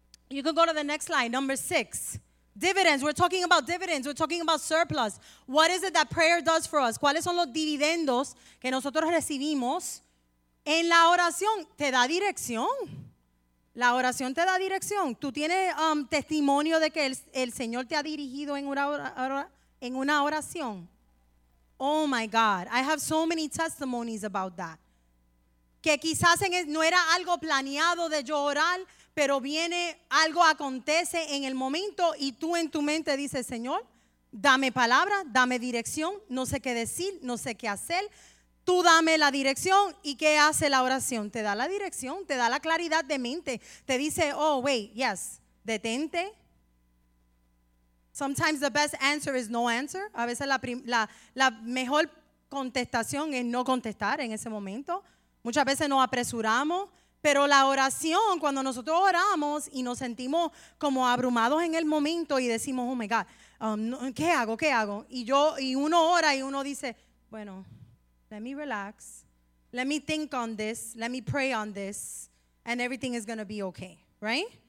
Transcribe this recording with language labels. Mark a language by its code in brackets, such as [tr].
[en] You can go to the next slide, number six. Dividends, we're talking about dividends, we're talking about surplus. What is it that prayer does for us? [es] ¿Cuáles son los dividendos que nosotros recibimos en la oración? Te da dirección. La oración te da dirección. Tú tienes testimonio de que el Señor te ha dirigido en una oración. [en] Oh my God, I have so many testimonies about that. [es] Que quizás no era algo planeado de yo orar, pero viene, algo acontece en el momento y tú en tu mente dices, Señor, dame palabra, dame dirección, no sé qué decir, no sé qué hacer. Tú dame la dirección. ¿Y qué hace la oración? Te da la dirección, te da la claridad de mente. Te dice, [en] oh, wait, yes, detente. Sometimes the best answer is no answer. [es] A veces la mejor contestación es no contestar en ese momento. Muchas veces nos apresuramos. Pero la oración, cuando nosotros oramos y nos sentimos como abrumados en el momento y decimos, [en] oh my God, [es] ¿qué hago? Y uno ora y uno dice, bueno, [en] let me relax, let me think on this, let me pray on this, and everything is going to be okay, right?